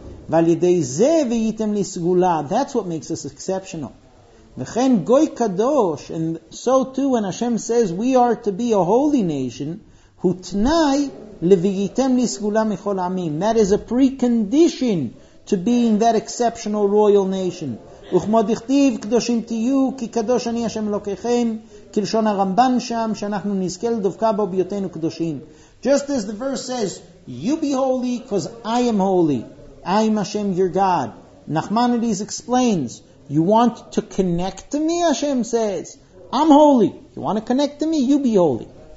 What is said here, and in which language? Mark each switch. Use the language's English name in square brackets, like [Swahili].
[Hebrew] ועל ידי זה ויתם לסגולה, [English] that's what makes us exceptional. [Hebrew] וכן גוי קדוש, [English] and so too when Hashem says we are to be a holy nation, [Hebrew] הוא תנאי לויגיתם לסגולה מכל העמים. [English] That is a precondition to being that exceptional royal nation. [Hebrew] וכמו דכתיב, קדושים תהיו, כי קדוש אני השם אלוקיכם, כלשון הרמב"ן שם, שאנחנו נזכה לדבקה בו ביותנו קדושים. [English] Just as the verse says, you be holy because I am holy. I am Hashem your God. Nachmanides explains, you want to connect to me, Hashem says. I'm holy. You want to connect to me, you be holy.